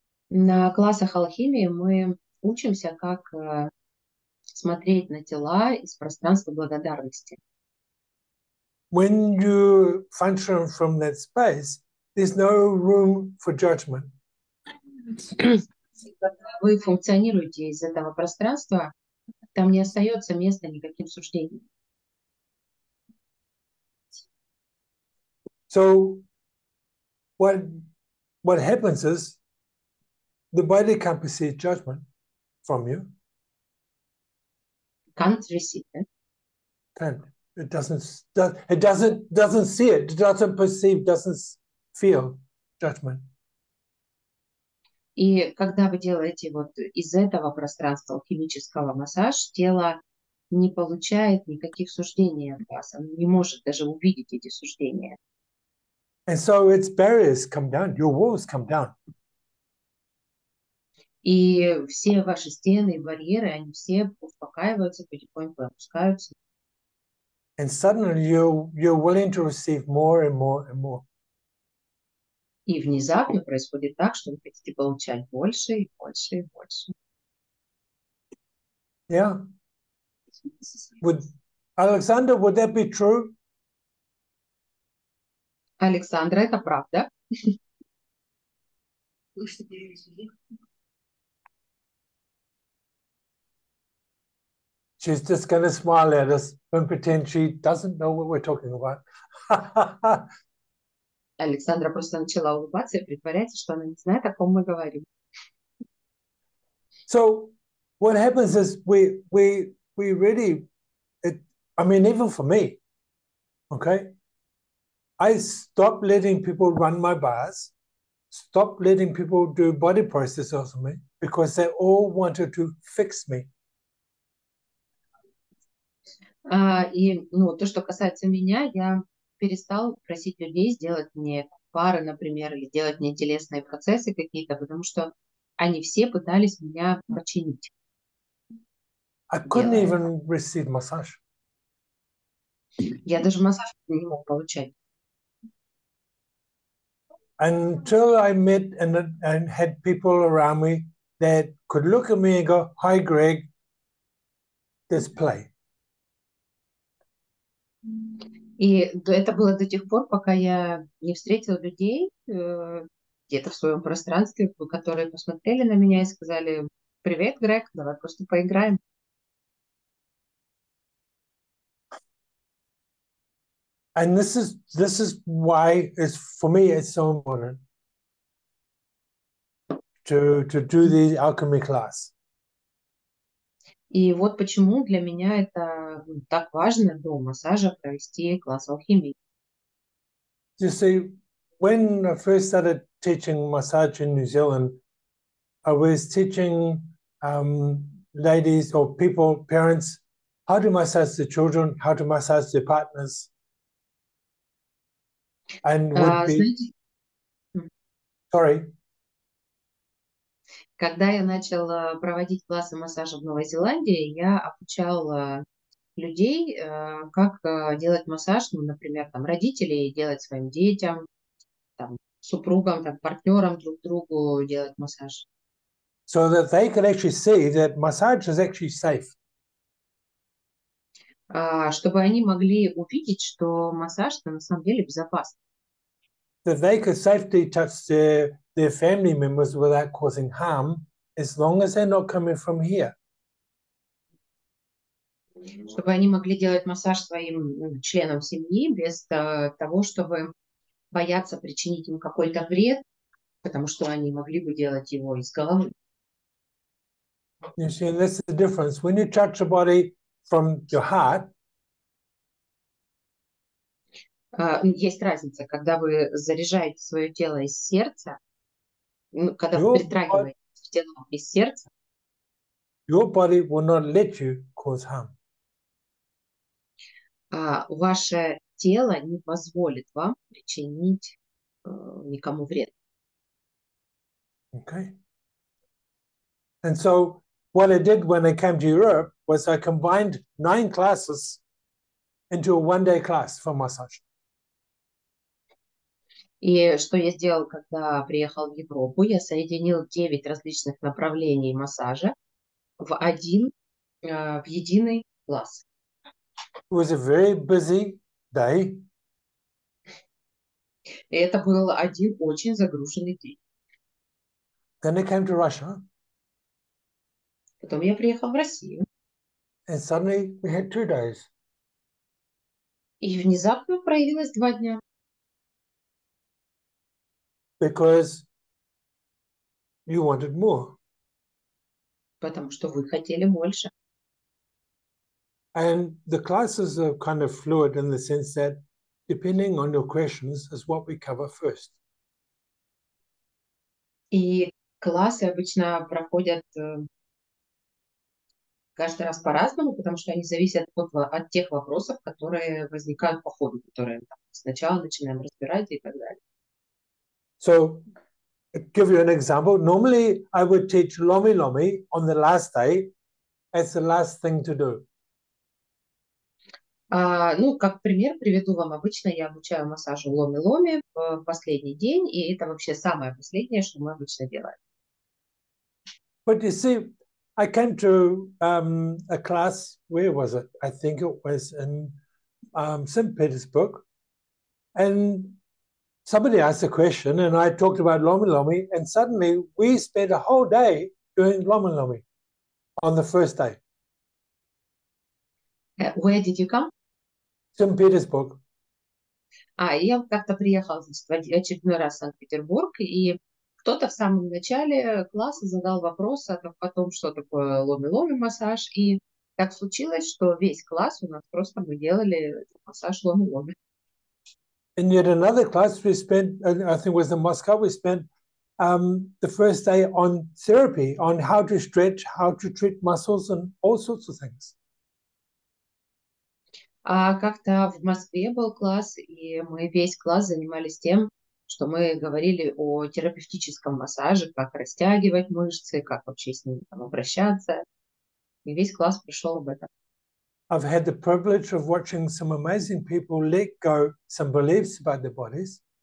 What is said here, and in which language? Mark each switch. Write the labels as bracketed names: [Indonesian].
[Russian] На классах алхимии мы учимся, как смотреть на тела из пространства благодарности. [English] When you function from that space, there's no room for judgment. [Russian] Вы функционируете из этого пространства, там не остается места никаким суждениям. [English] So, what happens is, the body can't receive judgment from you. Can't receive it. Can't. It doesn't see it. It doesn't perceive. Doesn't feel judgment. [Russian] И когда вы делаете вот из этого пространства химического массаж, тело не получает никаких суждений от вас. Оно не может даже увидеть эти суждения. [English] And so its barriers come down. Your walls come down. [Russian] И все ваши стены и барьеры, они все успокаиваются, потихоньку опускаются. [English] And suddenly you're willing to receive more and more and more. [Russian] И внезапно происходит так, что вы хотите получать больше и больше и больше. [English] Yeah. Alexander, would that be true? [Russian] Александра, это правда? [English] She's just going to smile at us and pretend she doesn't know what we're talking about. [Russian] Александра просто начала улыбаться и притворяться, что она не знает, о ком мы говорим. [English] So what happens is we really, it, I mean, even for me, okay, I stop letting people run my bars, stop letting people do body processes on me because they all wanted to fix me. [Russian] И ну, то, что касается меня, я перестал просить людей сделать мне пары, например, или сделать мне телесные процессы какие-то, потому что они все пытались меня починить. [English] I couldn't even receive massage. [Russian] Я даже массаж не мог получать. [English] Until I met and had people around me that could look at me and go, "Hi, Greg, this play." [Russian] И это было до тех пор, пока я не встретил людей где-то в своем пространстве, которые посмотрели на меня и сказали: «Привет, Грег, давай просто поиграем». [English] And this is why it's for me it's so important to do the alchemy class. [Russian] И вот почему для меня это так важно до массажа провести класс алхимии. [English] You see, when I first started teaching massage in New Zealand, I was teaching ladies or people, parents, how to massage their children, how to massage their partners. And would be... Sorry. [Russian] Когда я начал проводить классы массажа в Новой Зеландии, я обучал людей, как делать массаж, ну, например, там, родителей, делать своим детям, там, супругам, там, партнерам друг другу делать массаж. [English] So that they can actually see that massage is actually safe. [Russian] Чтобы они могли увидеть, что массаж на самом деле безопасен. [English] That they could safely touch their family members without causing harm, as long as they're not coming from here. [Russian] чтобы они могли делать массаж своим членам семьи без того, чтобы бояться причинить им какой-то вред, потому что они могли бы делать его из головы. [English] You see, and that's the difference. When you touch the body from your heart, [Russian] есть разница, когда вы заряжаете свое тело из сердца, ну, когда вы притрагиваетесь к телу из сердца, [English] your body will not let you cause harm. [Russian] Ваше тело не позволит вам причинить никому вред. [English] Okay. And so what I did when I came to Europe was I combined 9 classes into a 1-day class for massage. [Russian] И что я сделал, когда приехал в Европу? Я соединил 9 различных направлений массажа в один, в единый класс. [English] It was a very busy day. [Russian] И это был один очень загруженный день. [English] Then I came to Russia. [Russian] Потом я приехал в Россию. [English] And suddenly we had 2 days. [Russian] И внезапно проявилось 2 дня. [English] Because you wanted more. [Russian] Потому что вы хотели больше. [English] And the classes are kind of fluid in the sense that depending on your questions is what we cover first. [Russian] И классы обычно проходят каждый раз по-разному, потому что они зависят от тех вопросов, которые возникают по ходу, которые сначала начинаем разбирать и так далее. [English] So, give you an example. Normally, I would teach Lomi Lomi on the last day as the last thing to do. [Russian] Ну, как пример, приведу вам. Обычно я обучаю массажу ломи-ломи в последний день, и это вообще самое последнее, что мы обычно делаем. [English] But you see, I came to a class, where was it? I think it was in St. Petersburg, and somebody asked a question, and I talked about ломи-ломи, and suddenly we spent a whole day doing ломи-ломи on the first day. Where did you come? St. Petersburg. [Russian] А, я как-то приехала, значит, в очередной раз в Санкт-Петербург, и кто-то в самом начале класса задал вопрос о том, что такое ломи-ломи массаж, и так случилось, что весь класс у нас просто мы делали массаж ломи-ломи. [English] And yet another class we spent, I think it was in Moscow, we spent the first day on therapy, on how to stretch, how to treat muscles and all sorts of things. [Russian] А как-то в Москве был класс, и мы весь класс занимались тем, что мы говорили о терапевтическом массаже, как растягивать мышцы, как вообще с ними там обращаться. И весь класс пришел об этом. [English] I've had the privilege of watching some amazing people let go some beliefs about their bodies.